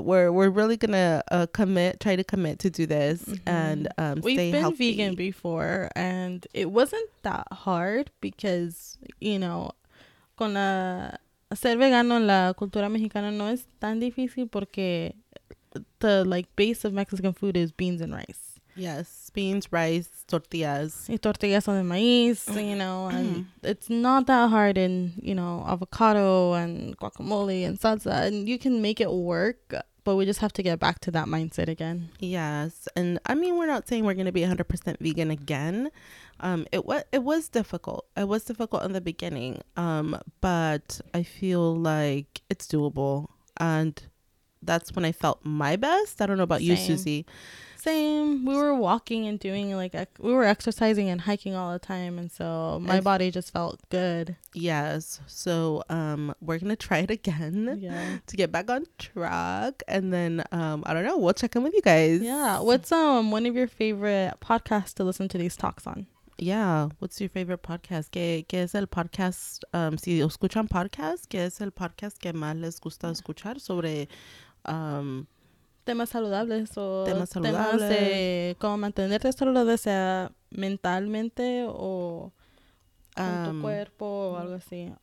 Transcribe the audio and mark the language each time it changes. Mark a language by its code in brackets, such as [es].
[en] We're really gonna try to commit to do this and We've stay been healthy. Vegan before and it wasn't that hard because, you know, con la... [es] Ser vegano en la cultura mexicana no es tan difícil porque... [en] The like base of Mexican food is beans and rice. Yes, beans, rice, tortillas. Y tortillas son de maíz, you know, and it's not that hard in, you know, avocado and guacamole and salsa, and you can make it work, but we just have to get back to that mindset again. Yes, and I mean, we're not saying we're going to be 100% vegan again. It was difficult. It was difficult in the beginning, but I feel like it's doable. And that's when I felt my best. I don't know about you, Susie. Same. We were walking and doing, like, we were exercising and hiking all the time. And so my body just felt good. Yes. So we're going to try it again to get back on track. And then, I don't know, we'll check in with you guys. Yeah. What's one of your favorite podcasts to listen to these talks on? Yeah. What's your favorite podcast? ¿Qué es el podcast? [es] Si escuchan podcast, ¿qué es el podcast que más les gusta escuchar sobre... temas saludables o temas de cómo mantenerte saludable, sea mentalmente o con tu cuerpo o algo así.